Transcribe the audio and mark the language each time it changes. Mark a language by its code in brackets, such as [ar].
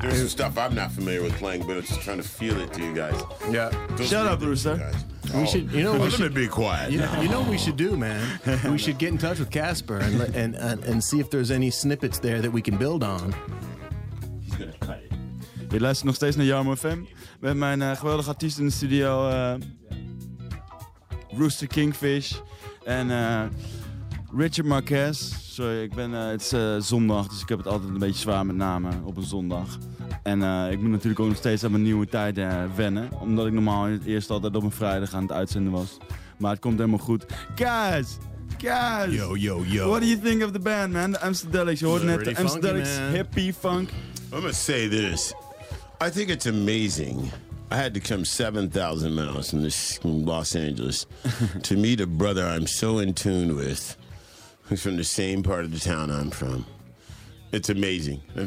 [en] There's some stuff I'm not familiar with playing, but I'm just trying to feel it to you guys. Yeah. Those shut up, Rooster. We should, you know, let me be quiet. You know what we should do, man? We should get in touch with Casper and see if there's any snippets there that we can build on. He's going to cut it. [nl] Je luistert nog steeds naar Jarmo FM met mijn geweldige artiest in de studio, Rooster Kingfish en Richard Marquez. Sorry, het is zondag, dus ik heb het altijd een beetje zwaar met namen op een zondag. En ik moet natuurlijk ook nog steeds aan mijn nieuwe tijd wennen, omdat ik normaal eerst altijd op een vrijdag aan het uitzenden was. Maar het komt helemaal goed. [en] Guys! Guys! Yo, yo, yo! What do you think of the band, man? [nl] The Amstelics. Je hoorde net de Amstelics hippie funk. [en] I'm gonna say this. I think it's amazing. I had to come 7,000 miles in this Los Angeles to meet a brother I'm so in tune with, who's from the same part of the town I'm from. It's amazing.